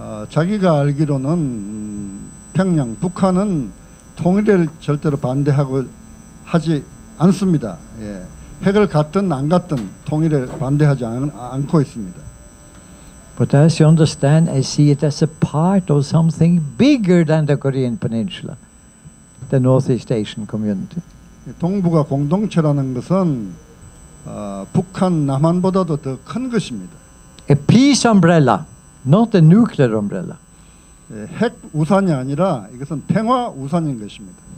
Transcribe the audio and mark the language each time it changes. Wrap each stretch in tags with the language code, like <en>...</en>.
<ko>자기가 알기로는 평양, 북한은 통일을 절대로 반대하고 하지 않습니다. 예. 핵을 갖든 안 갖든 통일을 반대하지 않고 있습니다.</ko> <en>But as you understand, I see it as a part of something bigger than the Korean Peninsula, the Northeast Asian community.</en> <ko>동북아 공동체라는 것은 북한 남한보다도 더 큰 것입니다.</ko> <en>A peace umbrella, not a nuclear umbrella.</en> <ko>핵 우산이 아니라 이것은 평화 우산인 것입니다.</ko>